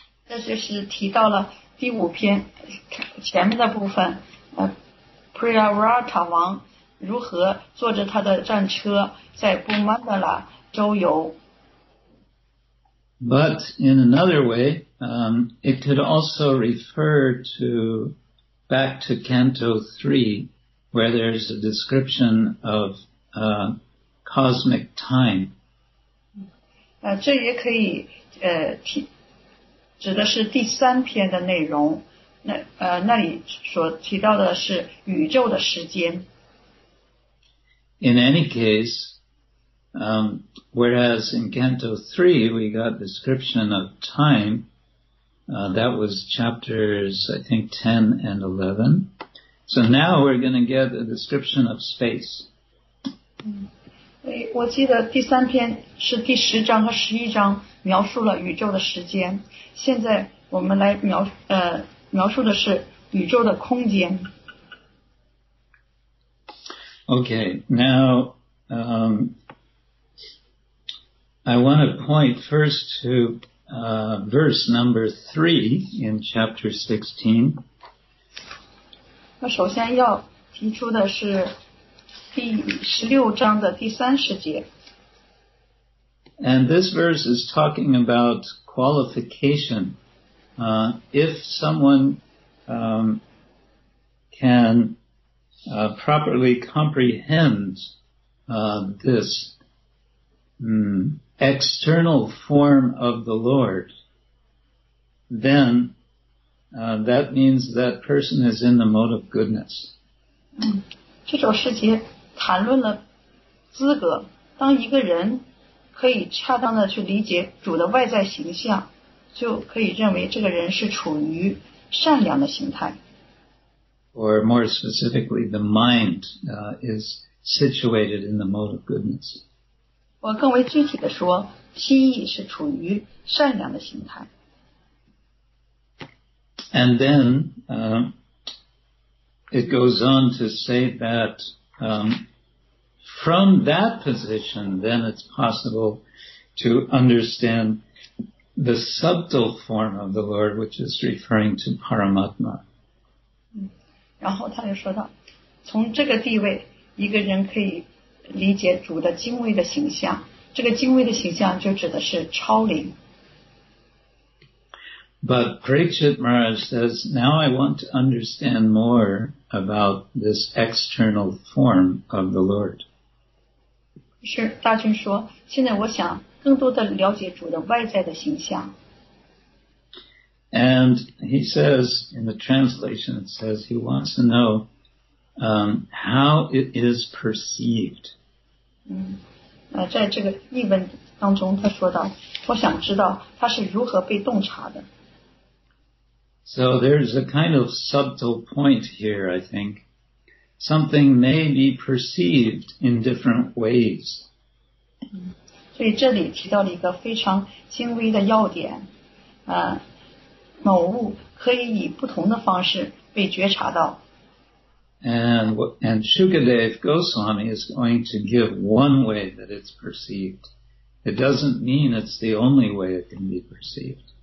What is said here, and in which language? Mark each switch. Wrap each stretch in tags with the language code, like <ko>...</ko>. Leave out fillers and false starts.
<zh>这就是提到了第五篇前面的部分Priyavrata 王如何坐着他的战车在Bhumandala周游。</zh> <en>But in another way, it could also refer to back to Canto 3, where there's a description of cosmic time.</en> <zh>这也可以指的是第三篇的内容，那里所提到的是宇宙的时间。</zh> <en>In any case, whereas in Canto 3 we got description of time, that was chapters, I think, 10 and 11. So now we're going to get a description of space.</en> <zh>我记得第三篇是第十章和十一章描述了宇宙的时间。现在我们来描述的是宇宙的空间。</zh> <en>Okay, now I want to point first to verse number 3 in chapter 16.</en> <zh>我首先要提出的是第十六章的第三十节。</zh> <en>And this verse is talking about qualification. If someone can properly comprehend this external form of the Lord, then that means that person is in the mode of goodness.</en> <zh>这首诗节谈论了资格，当一个人可以恰当的去理解主的外在形象，就可以认为这个人是处于善良的形态。</zh> <en>Or more specifically, the mind is situated in the mode of goodness.</en> <zh>我更为具体的说，心意是处于善良的形态。</zh> <en>And then it goes on to say that from that position, then it's possible to understand the subtle form of the Lord, which is referring to Paramatma.</en> <zh>然后他就说到，从这个地位，一个人可以理解主的精微的形象。这个精微的形象就指的是超灵。</zh> <en>But Parikshit Maharaj says, now I want to understand more about this external form of the Lord.</en> <zh>是大君说，现在我想更多的了解主的外在的形象。</zh> <en>And he says, in the translation, it says he wants to know how it is perceived.</en> <zh>在这个译文当中他说到我想知道它是如何被洞察的。</zh> <en>So there's a kind of subtle point here, I think. Something may be perceived in different ways.</en> <zh>所以这里提到了一个非常精微的要点。某物可以以不同的方式被觉察到。</zh> <en>And Shukadev Goswami is going to give one way that it's perceived. It doesn't mean it's the only way it can be perceived.</en>